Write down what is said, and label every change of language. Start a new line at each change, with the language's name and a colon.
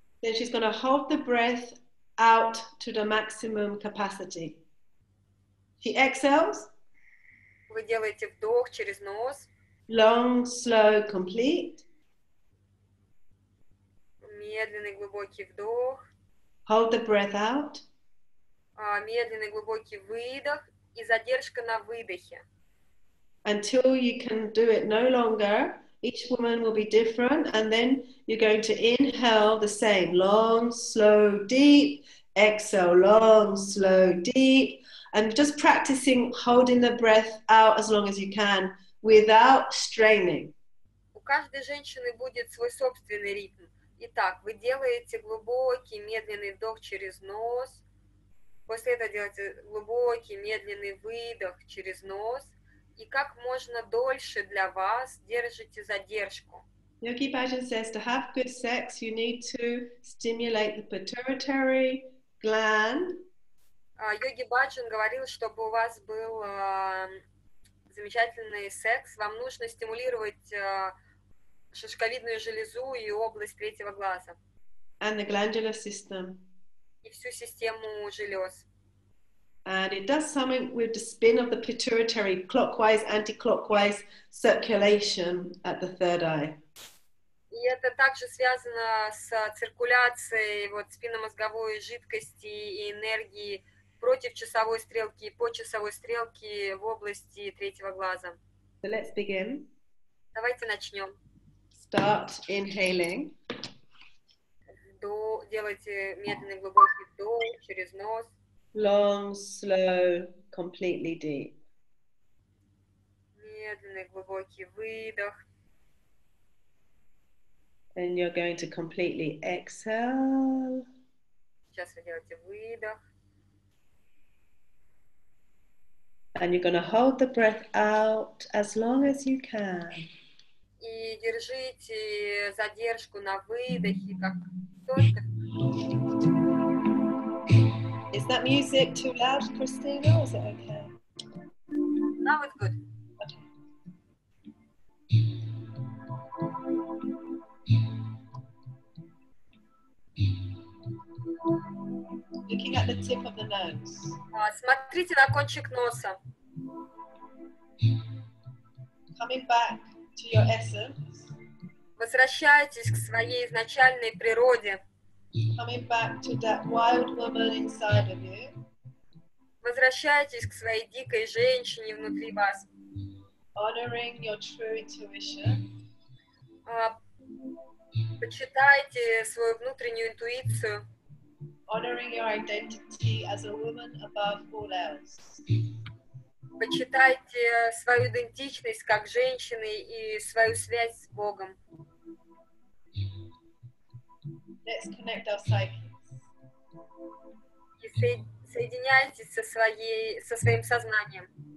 English: Then she's going to hold the breath out to the maximum capacity. She exhales.
Russian: Вы делаете вдох через нос.
English: Long, slow, complete.
Russian: Медленный глубокий вдох.
English: Hold the breath out.
Russian: Медленный глубокий выдох и задержка на выдохе.
English: Until you can do it no longer, each woman will be different, and then you're going to inhale the same. Long, slow, deep. Exhale, long, slow, deep. And just practicing holding the breath out as long as you can. Without straining.
Russian: У каждой женщины будет свой собственный ритм. Итак, вы делаете глубокий, медленный вдох через нос. После этого делайте глубокий, медленный выдох через нос. И как можно дольше для вас держите задержку.
English: Yogi Bhajan says, to have good sex, you need to stimulate the pituitary gland.
Russian: Йоги Баджан говорил, чтобы у вас был замечательный секс, вам нужно стимулировать шишковидную железу и область третьего глаза.
English: And the glandular system.
Russian: И всю систему желез.
English: And it does something with the spin of the pituitary, clockwise, anti-clockwise circulation at the third eye.
Russian: И это также связано с циркуляцией вот спинномозговой жидкости и энергии против часовой стрелки и по часовой стрелке в области третьего глаза.
English: So let's begin.
Russian: Давайте начнем.
English: Start inhaling.
Russian: Делайте медленный глубокий вдох через нос.
English: Long, slow, completely deep.
Russian: Медленный глубокий выдох.
English: Then you're going to completely exhale.
Russian: Сейчас вы делаете выдох.
English: And you're going to hold the breath out as long as you can.
Russian: И держите задержку на выдохе как только.
English: Is that music too loud, Christina, or is it okay? No, it's good. Looking at the tip of the nose.
Russian: Смотрите на кончик носа.
English: Coming back to your essence.
Russian: Возвращайтесь к своей изначальной природе.
English: Coming back to that wild woman inside of you.
Russian: Возвращайтесь к своей дикой женщине внутри вас.
English: Honoring your true intuition.
Russian: Почитайте свою внутреннюю интуицию.
English: Honoring your identity as a woman above all else.
Russian: Почитайте свою идентичность как женщины и свою связь с Богом.
English: Let's connect our psyches.
Russian: И соединяйтесь со своим сознанием.